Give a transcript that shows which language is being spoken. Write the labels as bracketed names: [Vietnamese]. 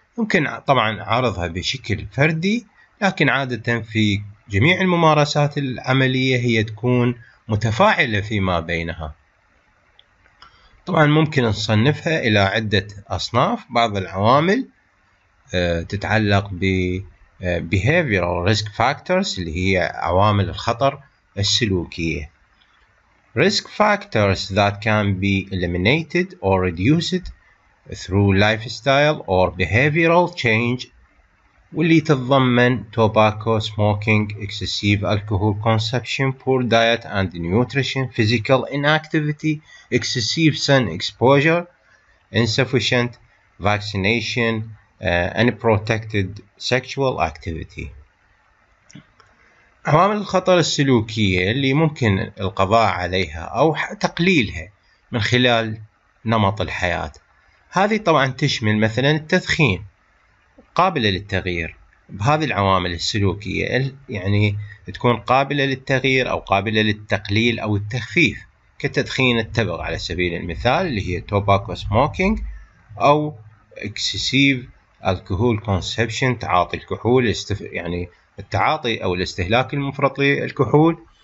[Arabic] يمكن طبعا عرضها بشكل فردي، لكن عادة في جميع الممارسات العملية هي تكون متفاعلة فيما بينها. طبعا ممكن نصنفها إلى عدة أصناف. بعض العوامل تتعلق ب [English] behavioral risk factors [Arabic] اللي هي عوامل الخطر السلوكية. [English] Risk factors that can be eliminated or reduced through lifestyle or behavioral change، [Arabic] واللي تتضمن [English] tobacco smoking, excessive alcohol consumption, poor diet and nutrition, physical inactivity, excessive sun exposure, insufficient vaccination, and protected sexual activity. [Arabic] عوامل الخطر السلوكية اللي ممكن القضاء عليها أو تقليلها من خلال نمط الحياة، هذه طبعا تشمل مثلا التدخين قابلة للتغيير. بهذه العوامل السلوكية يعني تكون قابلة للتغيير أو قابلة للتقليل أو التخفيف، كتدخين التبغ على سبيل المثال اللي هي [English] tobacco smoking، [Arabic] أو [English] excessive alcohol consumption [Arabic] تعاطي الكحول، يعني التعاطي أو الاستهلاك المفرط للكحول،